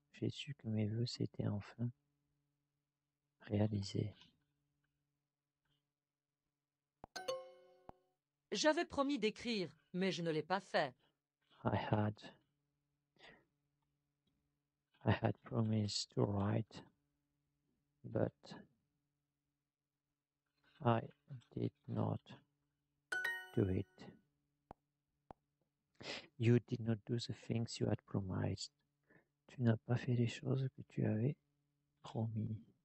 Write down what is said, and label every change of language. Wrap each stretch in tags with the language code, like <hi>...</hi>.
<fr>J'ai su que mes vœux s'étaient enfin réalisé. J'avais promis d'écrire, mais je ne l'ai pas fait.</fr> <en>I had promised to write, but I did not do it. You did not do the things you had promised.</en> <fr>Tu n'as pas fait les choses que tu avais promis.</fr>